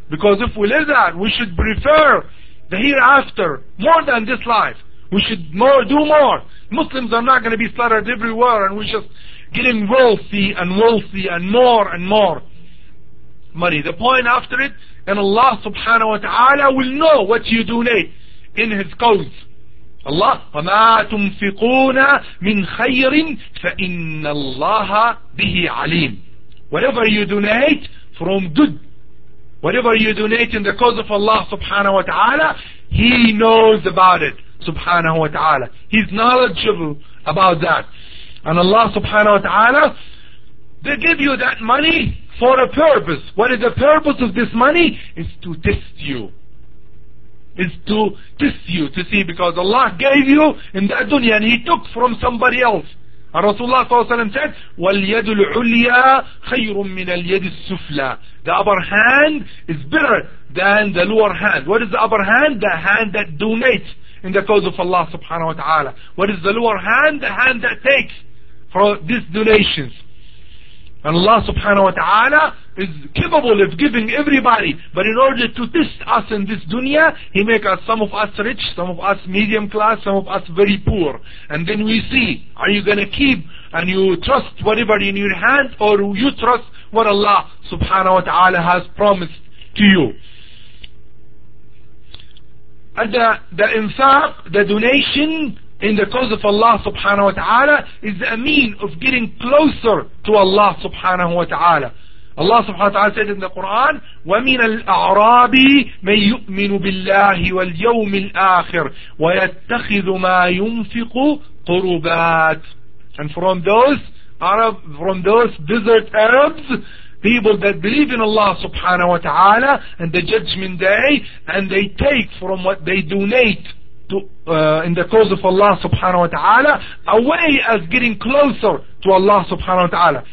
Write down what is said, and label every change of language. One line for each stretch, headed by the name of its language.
English: Because if we live that, we should prefer the hereafter more than this life. We should do more. Muslims are not going to be slaughtered everywhere, and we're just getting wealthy and more money. The point after it, and Allah subhanahu wa ta'ala will know what you donate in His cause.
Arabic: Allah, وَمَا تُنْفِقُونَ مِنْ خَيْرٍ فَإِنَّ اللَّهَ بِهِ عَلِيمٌ.
English: Whatever you donate from good, whatever you donate in the cause of Allah subhanahu wa ta'ala, He knows about it, subhanahu wa ta'ala. He's knowledgeable about that. And Allah subhanahu wa ta'ala, they give you that money for a purpose. What is the purpose of this money? It's to test you. is to test you, to see, because Allah gave you in that dunya and He took from somebody else. And Rasulullah SAW said,
Arabic: وَالْيَدُ الْعُلْيَا خَيْرٌ مِّنَ الْيَدِ السُّفْلَى.
English: The upper hand is better than the lower hand. What is the upper hand? The hand that donates in the cause of Allah subhanahu wa ta'ala. What is the lower hand? The hand that takes from these donations. And Allah subhanahu wa ta'ala is capable of giving everybody. But in order to test us in this dunya, He make us, some of us rich, some of us medium class, some of us very poor. And then we see, are you going to keep and you trust whatever in your hand, or you trust what Allah subhanahu wa ta'ala has promised to you. And the infaq, the donation in the cause of Allah subhanahu wa ta'ala, is a mean of getting closer to Allah subhanahu wa ta'ala. Allah subhanahu wa ta'ala said in the Quran,
Arabic: وَمِنَ الْأَعْرَابِ مَنْ يُؤْمِنُ بِاللَّهِ وَالْيَوْمِ الْآخِرِ وَيَتَّخِذُ مَا يُنْفِقُ قُرُبَاتٍ.
English: And from those Arab, from those desert Arabs, people that believe in Allah subhanahu wa ta'ala and the judgment day, and they take from what they donate in the cause of Allah subhanahu wa ta'ala, a way of getting closer to Allah subhanahu wa ta'ala.